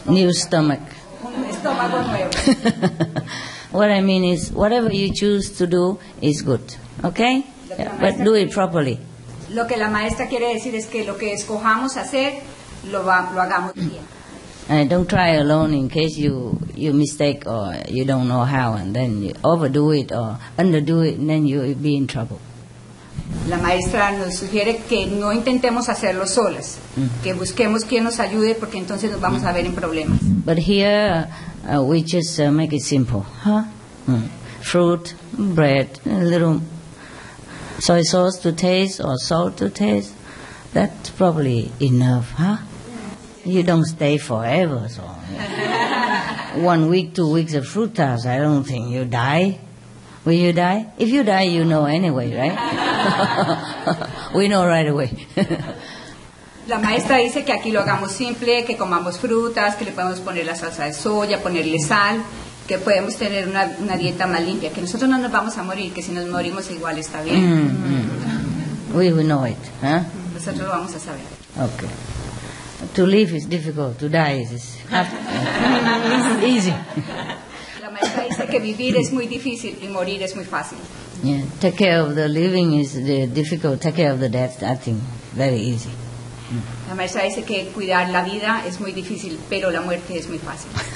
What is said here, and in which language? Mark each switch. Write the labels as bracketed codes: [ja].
[en] New stomach. [es] Un estómago nuevo. [en] What I mean is, whatever you choose to do is good, okay? But do it properly. [es] Lo que la maestra quiere decir es que lo que escojamos hacer lo hagamos bien. [en] Don't try alone in case you mistake or you don't know how, and then you overdo it or underdo it, and then you'll be in trouble. [es] La maestra nos sugiere que no intentemos hacerlo solas, que busquemos quien nos ayude, porque entonces nos vamos a ver en problemas. [en] But here we just make it simple, huh? Fruit, bread, a little soy sauce to taste or salt to taste. That's probably enough, huh? You don't stay forever, so 1 week, 2 weeks of frutas, I don't think you die. Will you die? If you die, you know anyway, right? We know right away. [es] La maestra dice que aquí lo hagamos simple, que comamos frutas, que le podemos poner la salsa de soya, ponerle sal, que podemos tener una dieta más limpia, que nosotros no nos vamos a morir, que si nos morimos igual está bien. [en] We know it, huh? [es] Nosotros lo vamos a saber. [en] Okay. To live is difficult, to die is easy. [es] La maestra dice que vivir es muy difícil y morir es muy fácil. [en] Yeah, take care of the living is difficult, take care of the death, I think, very easy. [es] La maestra dice que cuidar la vida es muy difícil, pero la muerte es muy fácil.